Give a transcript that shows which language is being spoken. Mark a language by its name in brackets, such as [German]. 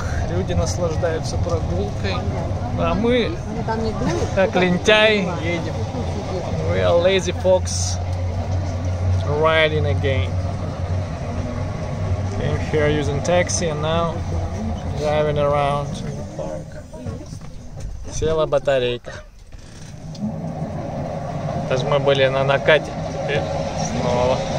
[Russian] Люди наслаждаются прогулкой, а мы, как лентяй, едем. [English] We are lazy fox riding again. Came here using taxi and now driving around the park. [Russian] Села батарейка. Это же мы были на накате, теперь снова.